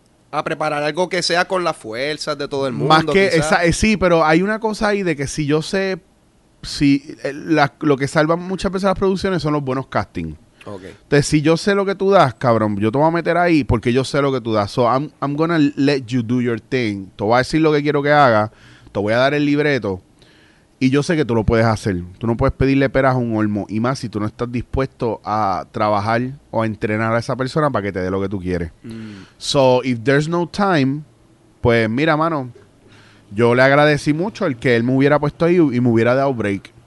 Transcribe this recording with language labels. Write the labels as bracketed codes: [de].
[es] a preparar algo que sea con las fuerzas de todo el mundo. Más que esa, sí, pero hay una cosa ahí de que si yo sé, si lo que salva muchas veces las producciones son los buenos castings. Okay. Entonces, si yo sé lo que tú das, cabrón, yo te voy a meter ahí porque yo sé lo que tú das. [en] So, I'm gonna let you do your thing. [es] Te voy a decir lo que quiero que haga. Te voy a dar el libreto. Y yo sé que tú lo puedes hacer. Tú no puedes pedirle peras a un olmo. Y más si tú no estás dispuesto a trabajar o a entrenar a esa persona para que te dé lo que tú quieres. [en] So, if there's no time, [es] pues mira, mano, yo le agradecí mucho el que él me hubiera puesto ahí y me hubiera dado break.